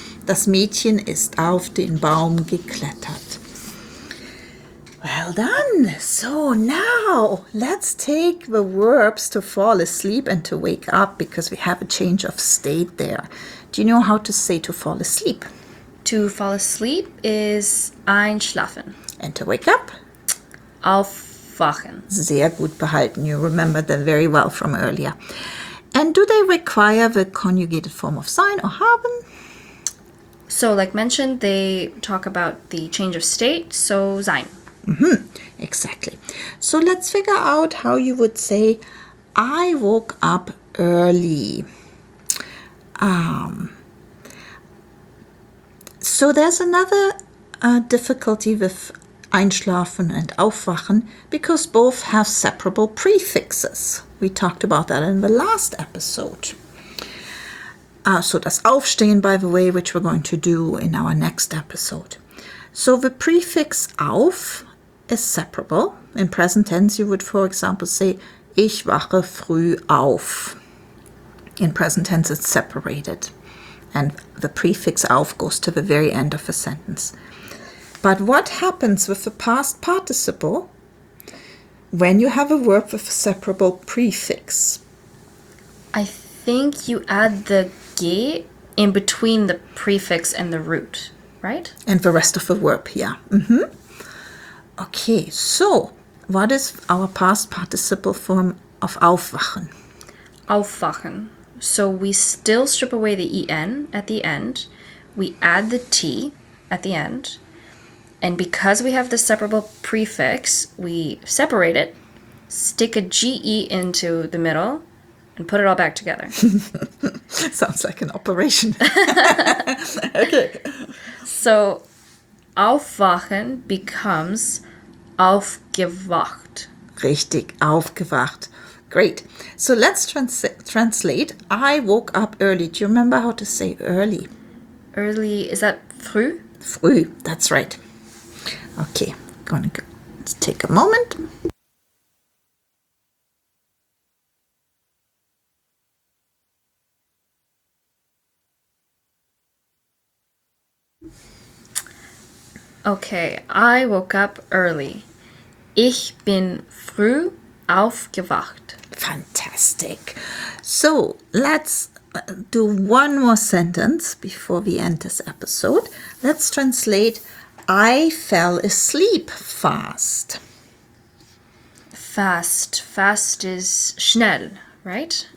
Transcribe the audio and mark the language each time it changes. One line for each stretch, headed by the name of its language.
German: Das Mädchen ist auf den Baum geklettert.
English: Well done. So now let's take the verbs to fall asleep and to wake up because we have a change of state there. Do you know how to say to fall asleep? To fall asleep is einschlafen. And to wake up? Aufwachen.
German: Sehr gut behalten.
English: You remember them very well from earlier. And do they require the conjugated form of sein or haben? So, like mentioned, they talk about the change of state, so sein. Mm-hmm. Exactly. So let's figure out how you would say, I woke up early. So there's another difficulty with einschlafen and aufwachen, because both have separable prefixes. We talked about that in the last episode. So das Aufstehen, by the way, which we're going to do in our next episode. So the prefix auf is separable. In present tense, you would, for example, say,
German: ich wache früh auf.
English: In present tense, it's separated. And the prefix auf goes to the very end of a sentence. But what happens with the past participle when you have a verb with a separable prefix? I think you add the ge in between the prefix and the root, right? And the rest of the verb, yeah. Mm-hmm. Okay, so what is our past participle form of aufwachen? Aufwachen. So we still strip away the en at the end. We add the t at the end. And because we have the separable prefix, we separate it, stick a ge into the middle, and put it all back together. Sounds like an operation. Okay. So, aufwachen becomes aufgewacht.
German: Richtig, aufgewacht.
English: Great. So let's translate. I woke up early. Do you remember how to say early? Early, is that früh? Früh, that's right. Okay, gonna go. Let's take a moment. Okay, I woke up early.
German: Ich bin früh aufgewacht.
English: Fantastic. So, let's do one more sentence before we end this episode. Let's translate. I fell asleep fast. Fast. Fast is schnell, right?